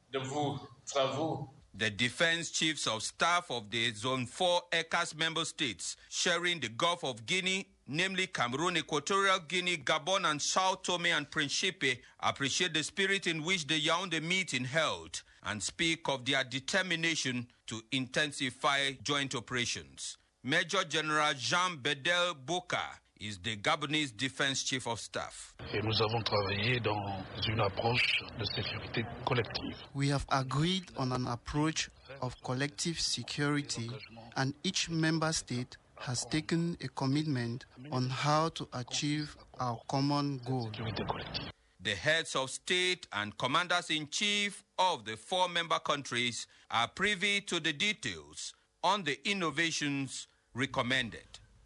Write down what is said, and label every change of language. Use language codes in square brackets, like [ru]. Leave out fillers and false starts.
[en] The defense chiefs of staff of the Zone 4 ECOWAS member states sharing the Gulf of Guinea, namely Cameroon, Equatorial Guinea, Gabon, and Sao Tome and Principe, appreciate the spirit in which the Yaoundé meeting held and speak of their determination to intensify joint operations. Major General Jean Bedel Boka is the Gabonese Defense Chief of Staff. [fr] Et nous avons travaillé dans une approche de sécurité collective. [en] We have agreed on an approach of collective security, and each member state has taken a commitment on how to achieve our common goal. The heads of state and commanders-in-chief of the four member countries are privy to the details on the innovations recommended.